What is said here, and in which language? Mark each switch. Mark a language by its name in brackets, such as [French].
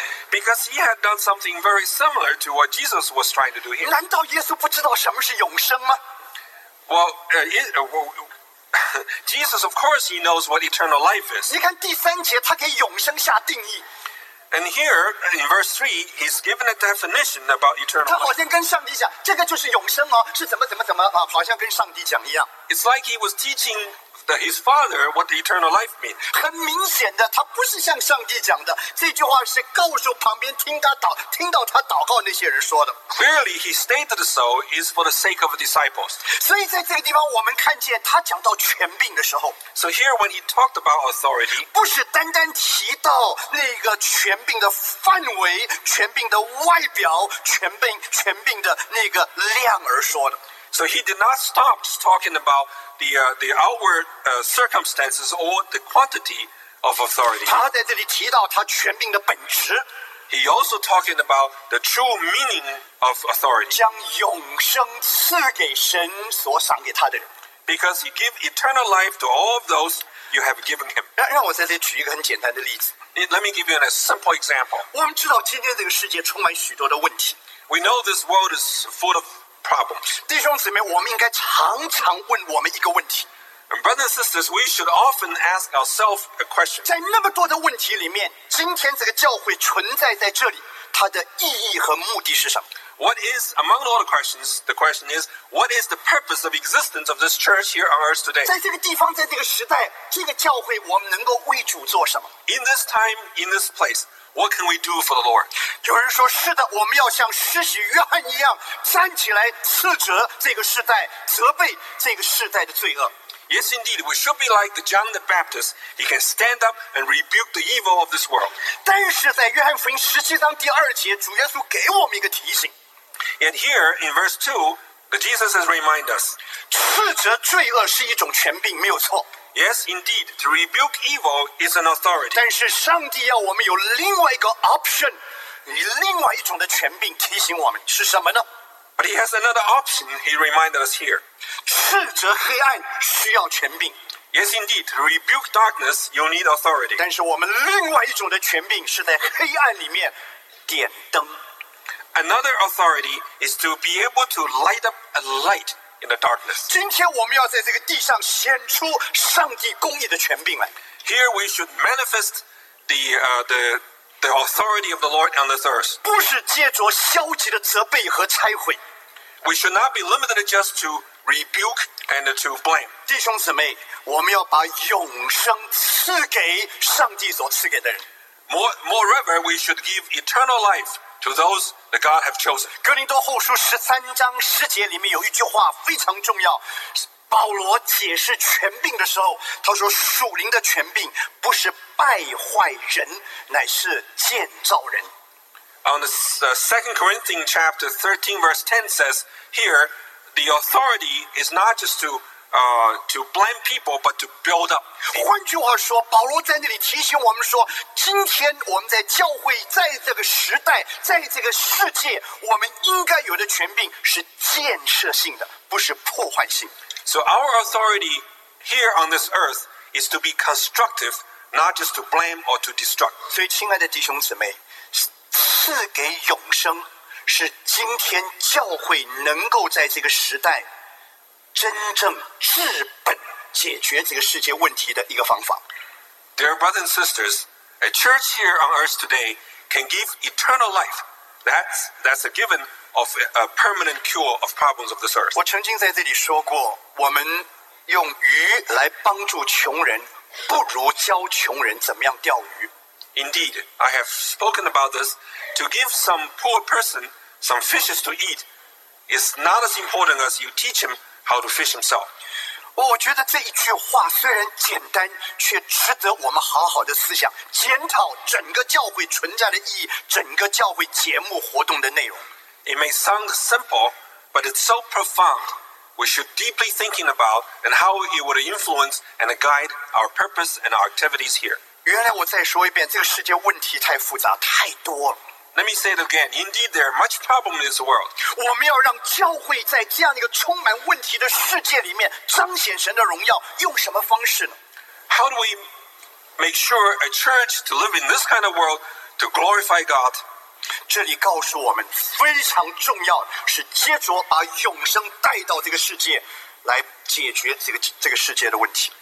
[English] Because he had done something very similar to what Jesus was trying to do here. [Chinese] 难道耶稣不知道什么是永生吗？ [English] Well, Jesus, of course, he knows what eternal life is. [Chinese] 你看第三节，他给永生下定义。 [English] And here, in verse 3, he's given a definition about eternal life. [Chinese] 他好像跟上帝讲，这个就是永生哦，是怎么怎么怎么啊，好像跟上帝讲一样。 [English] It's like he was teaching his father what the eternal life means. [Chinese] 很明显的，他不是像上帝讲的，这句话是告诉旁边听到他祷告那些人说的。 [English] Clearly, he stated so is for the sake of the disciples. [Chinese] 所以在这个地方，我们看见他讲到权柄的时候。 [English] So here, when he talked about authority, [Chinese] 不是单单提到那个权柄的范围、权柄的外表、权柄的那个量而说的。 [English] So he did not stop just talking about the outward circumstances or the quantity of authority. [Chinese] 他在这里提到他权柄的本质。 [English] He also talking about the true meaning of authority. [Chinese] 将永生赐给神所赏给他的人。 [English] Because he give eternal life to all of those you have given him. [Chinese] 让我在这里举一个很简单的例子。 [English] Let me give you a simple example. [Chinese] 我们知道今天这个世界充满许多的问题。 [English] We know this world is full of problems. [Chinese] 弟兄姊妹，我们应该常常问我们一个问题。 [English] And brothers and sisters, we should often ask ourselves a question. [Chinese] 在那么多的问题里面，今天这个教会存在在这里，它的意义和目的是什么？ [English] What is, among all the question is, what is the purpose of existence of this church here on earth today? [Chinese] 在这个地方，在这个时代，这个教会我们能够为主做什么？ [English] In this time, in this place,What can we do for the Lord? [Chinese] 有人说是的，我们要像施洗约翰一样站起来斥责这个世代，责备这个世代的罪恶。 [English] Yes, indeed, we should be like the John the Baptist. He can stand up and rebuke the evil of this world. [Chinese] 但是在约翰福音十七章第二节，主耶稣给我们一个提醒。 [English] And here in verse 2, the Jesus has reminded us. [Chinese] 斥责罪恶是一种权柄，没有错。 [English] Yes, indeed, to rebuke evil is an authority. [Chinese] 但是上帝要我们有另外一个 option, 另外一种的权柄提醒我们是什么呢？ [English] But he has another option, he reminded us here. [Chinese] 斥责黑暗需要权柄。 [English] Yes, indeed, to rebuke darkness, you need authority. [Chinese] 但是我们另外一种的权柄是在黑暗里面点灯。 [English] Another authority is to be able to light up a light. In the darkness. [Chinese] 今天我们要在这个地上显出上帝公义的权柄来。 [English] Here we should manifest the authority of the Lord on this earth. [Chinese] 不是借着消极的责备和拆毁。 [English] We should not be limited just to rebuke and to blame. [Chinese] 弟兄姊妹，我们要把永生赐给上帝所赐给的人。 [English] Moreover, we should give eternal life. To those that God have chosen. [Chinese] 哥林多后书十三章十节里面有一句话非常重要。保罗解释权柄的时候，他说：“属灵的权柄不是败坏人，乃是建造人。” [English] On the Second Corinthians chapter 13 verse 10 says, "Here the authority is not just to blame people, but to build up." [Chinese] 换句话说，保罗在那里提醒我们说，今天我们在教会，在这个时代，在这个世界，我们应该有的权柄是建设性的，不是破坏性。 [English] So our authority here on this earth is to be constructive, not just to blame or to destruct. [Chinese] 所以，亲爱的弟兄姊妹，赐给永生是今天教会能够在这个时代。真正治本解决这个世界问题的一个方法。 [English] Dear brothers and sisters, a church here on earth today can give eternal life, That's a given of a permanent cure of problems of this earth. [Chinese] 我曾经在这里说过，我们用鱼来帮助穷人，不如教穷人怎么样钓鱼。 [English] Indeed, I have spoken about this. To give some poor person some fishes to eat is not as important as you teach him how to fish himself. [Chinese] 我觉得这一句话虽然简单，却值得我们好好的思想，检讨整个教会存在的意义，整个教会节目活动的内容。 [English] It may sound simple, but it's so profound. We should deeply thinking about and how it would influence and guide our purpose and our activities here. [Chinese] 原来我再说一遍，这个世界问题太复杂，太多了。 [English] Let me say it again. Indeed, there are much problems in this world. [Chinese] 我们要让教会在这样一个充满问题的世界里面彰显神的荣耀，用什么方式呢？ [English] How do we make sure a church to live in this kind of world to glorify God? [Chinese] 这里告诉我们非常重要是接着把永生带到这个世界来解决这个世界的问题。